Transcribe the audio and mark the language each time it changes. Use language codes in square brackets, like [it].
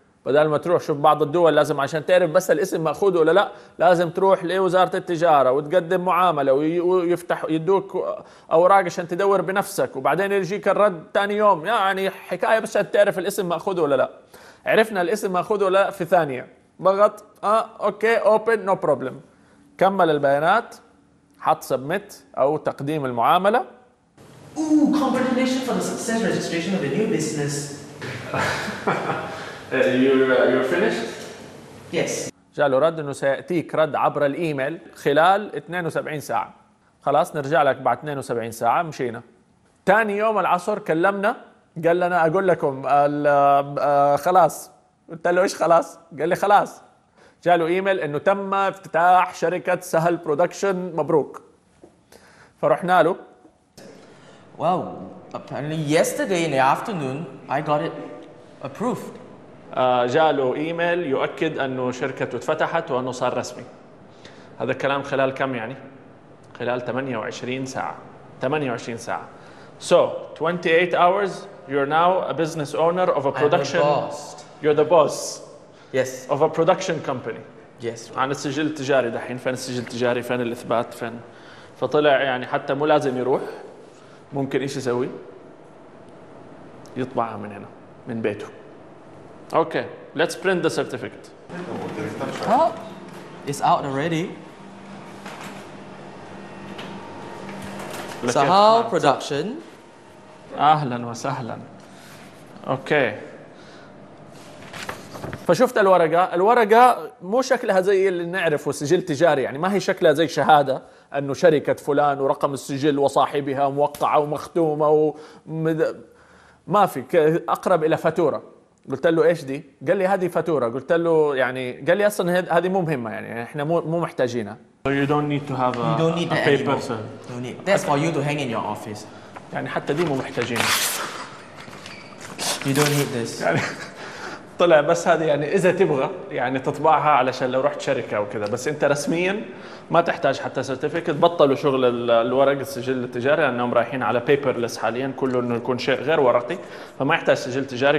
[ar] بدل ما تروح شوف بعض الدول لازم عشان تعرف بس الاسم مأخوذ ولا لا لازم تروح لوزارة التجارة وتقدم معاملة ويفتح يدوك أوراق عشان تدور بنفسك وبعدين يجيك الرد تاني يوم. يعني حكاية بس عشان تعرف الاسم مأخوذ ولا لا. عرفنا الاسم مأخوذ ولا لا في ثانية ضغط أوكي [en] open no problem. [ar] كمل البيانات حط سبميت او تقديم المعامله. [en] Oh congratulations for the success registration of the new business. you're finished? Yes. [ar] جاء له رد انه سياتيك رد عبر الايميل خلال 72 ساعه. خلاص نرجع لك بعد 72 ساعه. مشينا. ثاني يوم العصر كلمنا قال لنا اقول لكم خلاص. قلت له ايش خلاص؟ قال لي خلاص. جاله إيميل إنه تم افتتاح شركة سهل برودكشن مبروك. فرحنا له. [en] Wow, apparently yesterday in the afternoon I got it approved. [ar] جاله إيميل يؤكد إنه شركته اتفتحت وإنه صار رسمي. هذا الكلام خلال كم يعني؟ خلال 28 ساعة. 28 ساعة. [en] So 28 hours you're now a business owner of a production. I'm the boss. You're the boss. Yes. Of a production company. Yes. [ar] عن السجل التجاري دحين. فين السجل التجاري؟ فين الإثبات؟ فين؟ فطلع يعني حتى مو لازم يروح. ممكن إيش يسوي؟ يطبعها من هنا من بيته. [en] Okay, let's print the certificate. Oh, it's out already. Sahal Production. [ar] أهلاً وسهلاً. Okay. فشفت الورقة، الورقة مو شكلها زي اللي نعرفه سجل تجاري، يعني ما هي شكلها زي شهادة أنه شركة فلان ورقم السجل وصاحبها موقعة ومختومة ما في، أقرب إلى فاتورة. قلت له إيش دي؟ قال لي هذه فاتورة. قلت له يعني، قال لي أصلاً هذه مو مهمة، يعني إحنا مو محتاجينها. [en] So you don't need to have a paper, sir. That's for you to hang in your office. [ar] يعني حتى دي مو محتاجينها. [en] You don't need this. [ar] يعني طلع بس هذه، يعني إذا تبغى يعني تطبعها علشان لو رحت شركة وكذا، بس أنت رسمياً ما تحتاج حتى سيرتيفيكت. بطلوا شغل الورق السجل التجاري لأنهم رايحين على paperless حالياً، كله إنه يكون شيء غير ورقي، فما يحتاج سجل تجاري.